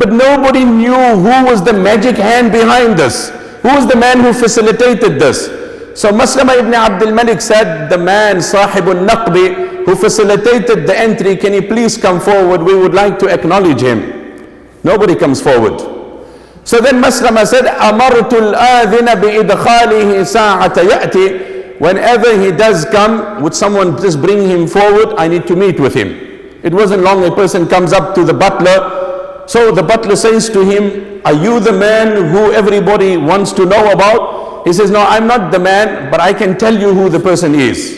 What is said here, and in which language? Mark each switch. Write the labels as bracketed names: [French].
[English] But nobody knew who was the magic hand behind this. Who was the man who facilitated this? So Maslama ibn Abd al-Malik said, the man, Sahibun Naqbi, who facilitated the entry, can he please come forward? We would like to acknowledge him. Nobody comes forward. So then Maslama said, [Arabic] أَمَرْتُ الْآذِنَ بِإِدْخَالِهِ سَاعَةَ يَأْتِ. [English] Whenever he does come, would someone just bring him forward? I need to meet with him. It wasn't long, a person comes up to the butler. So the butler says to him, are you the man who everybody wants to know about? He says, no, I'm not the man, but I can tell you who the person is.